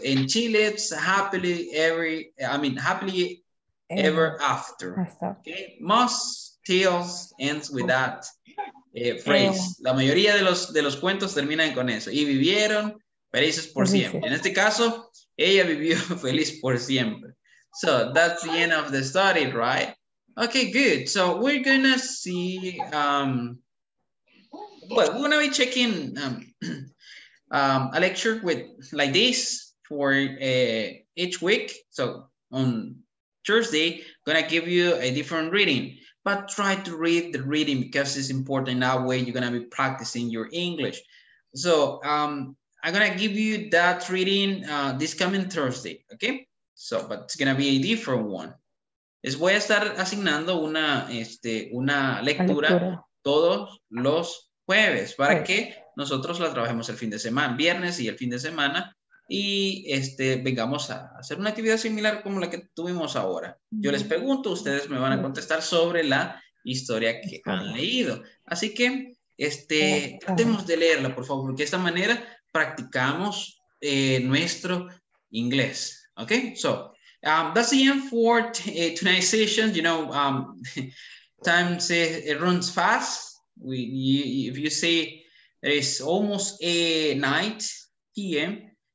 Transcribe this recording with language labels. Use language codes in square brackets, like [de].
[en] And she lives happily happily ever after. Okay? Most tales ends with that phrase. [es] La mayoría de los cuentos terminan con eso. Y vivieron felices por siempre. En este caso, ella vivió feliz por siempre. [en] So that's the end of the story, right? Okay, good. So we're gonna see, we're gonna be checking a lecture with like this for each week. So on Thursday, gonna give you a different reading, but try to read the reading because it's important. That way you're gonna be practicing your English. So I'm gonna give you that reading this coming Thursday, okay? So, but it's gonna be a different one. [es] Les voy a estar asignando una lectura. todos los jueves para que nosotros la trabajemos el fin de semana, viernes y el fin de semana, y vengamos a hacer una actividad similar como la que tuvimos ahora. Yo les pregunto, ustedes me van a contestar sobre la historia que han leído. Así que tratemos de leerla, por favor, porque de esta manera practicamos nuestro inglés. [en] Okay, so that's the end for tonight's session. You know, time it runs fast. If you see, it's almost a 9 p.m.